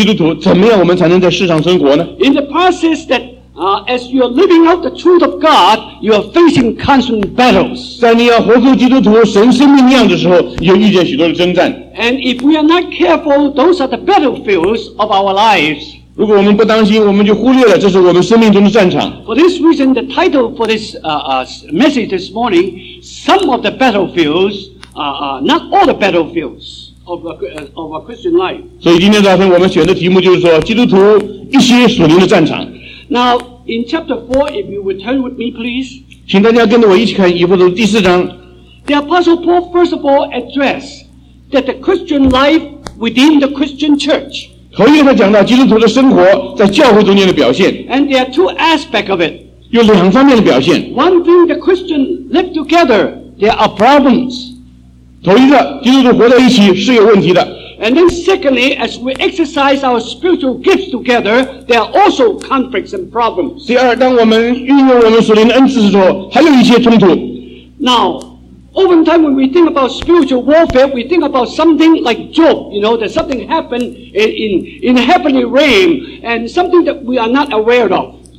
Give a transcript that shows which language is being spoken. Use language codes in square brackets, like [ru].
[zh] 因此，在这本书里面，保罗就告诉我们说，既然我们是蒙救赎的神基督徒，怎么样我们才能在世上生活呢？ [en] In the process that as you are living out the truth of God, you are facing constant battles. [zh] 在你要活出基督徒神生命的样子的时候，你就遇见许多的征战。 [en] And if we are not careful, those are the battlefields of our lives. [zh] 如果我们不当心，我们就忽略了这是我们生命中的战场。 [en] For this reason, the title for this message this morning, some of the battlefields, not all the battlefields of a Christian life. [zh] 所以今天早晨我们选的题目就是说，基督徒一些属灵的战场。 [en] Now, in chapter 4, if you would turn with me, please. [zh] 请大家跟着我一起看以弗所书第四章。 [en] The Apostle Paul first of all addressed that the Christian life within the Christian church. [zh] 头一个他讲到基督徒的生活在教会中间的表现。 [en] And there are two aspects of it. [zh] 有两方面的表现。 [en] One thing the Christian live together, there are problems. [zh] 头一个基督徒活在一起是有问题的。 [en] And then secondly, as we exercise our spiritual gifts together, there are also conflicts and problems. [zh] 第二，当我们运用我们属灵的恩赐的时候，还有一些冲突。 [en] Now, often time when we think about spiritual warfare, we think about something like Job, you know, that something happened in heavenly realm, and something that we are not aware of.